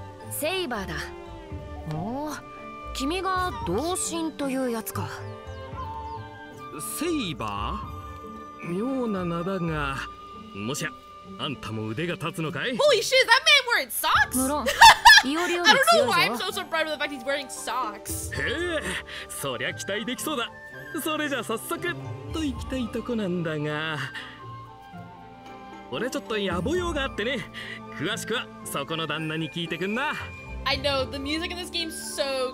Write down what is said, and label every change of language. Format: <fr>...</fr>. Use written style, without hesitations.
<ja>セイバーだ。おお、君が同心というやつか。セイバー？妙な名だが、もしや、あんたも腕が立つのかい？</ja> <en>Holy shit, that man wearing socks!</en> <ja>もろん、イオリより強いぞ。</ja> <en>I don't know why I'm so surprised by the fact he's wearing socks.</en> <ja>へえ、そりゃ期待できそうだ。それじゃ早速と行きたいとこなんだが、俺ちょっと野暮用があってね。詳しくはそこの旦那に聞いてくんな。</ja> <en>I know the music in this game is so good.</en>